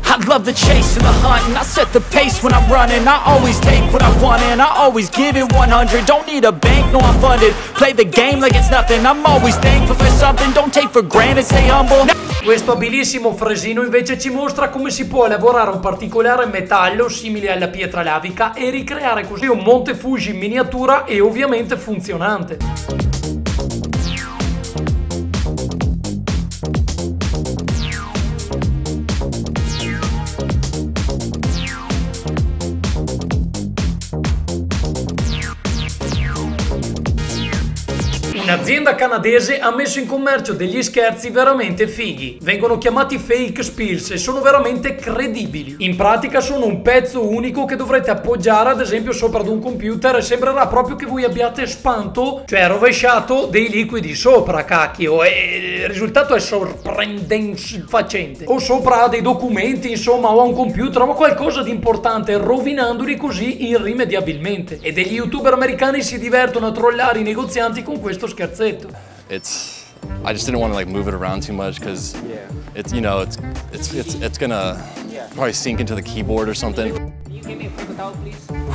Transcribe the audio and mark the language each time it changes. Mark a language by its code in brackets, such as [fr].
[en] Love the chase and the hunt, and I set the pace when I'm running. I always take what I want and I always give it 100. Don't need a bank, no, I'm funded. Play the game like it's nothing. I'm always thankful for something. Don't take for granted, stay humble. [it] Questo abilissimo fresino invece ci mostra come si può lavorare un particolare metallo simile alla pietra lavica e ricreare così un Monte Fuji in miniatura e ovviamente funzionante. Un'azienda canadese ha messo in commercio degli scherzi veramente fighi. Vengono chiamati fake spills e sono veramente credibili. In pratica sono un pezzo unico che dovrete appoggiare ad esempio sopra ad un computer e sembrerà proprio che voi abbiate spanto, cioè rovesciato, dei liquidi sopra, cacchio. E il risultato è sorprendente. O sopra a dei documenti, insomma, o a un computer, o qualcosa di importante, rovinandoli così irrimediabilmente. E degli youtuber americani si divertono a trollare i negozianti con questo scherzetto. [en] I just didn't want to like move it around too much because yeah. It's, you know, it's gonna yeah. Probably sink into the keyboard or something. Can you give me a paper towel, please?